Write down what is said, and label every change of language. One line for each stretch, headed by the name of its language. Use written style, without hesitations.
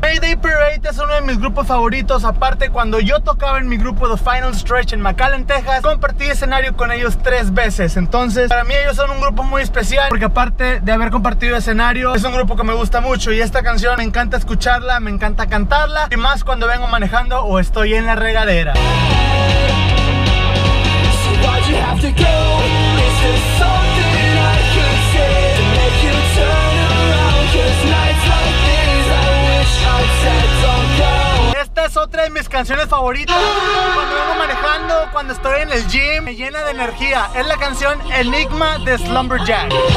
Spanish: May Day Parade es uno de mis grupos favoritos. Aparte, cuando yo tocaba en mi grupo The Final Stretch en McAllen, Texas, compartí escenario con ellos 3 veces. Entonces, para mí ellos son un grupo muy especial, porque aparte de haber compartido escenario, es un grupo que me gusta mucho. Y esta canción me encanta escucharla, me encanta cantarla, y más cuando vengo manejando o estoy en la regadera.
English: To go, is this something I could say to make you turn around? 'Cause nights like these, I wish I'd said don't go.
Spanish: Esta es otra de mis canciones favoritas. Cuando vengo manejando, cuando estoy en el gym, me llena de energía. Es la canción Enigma de Slumberjack.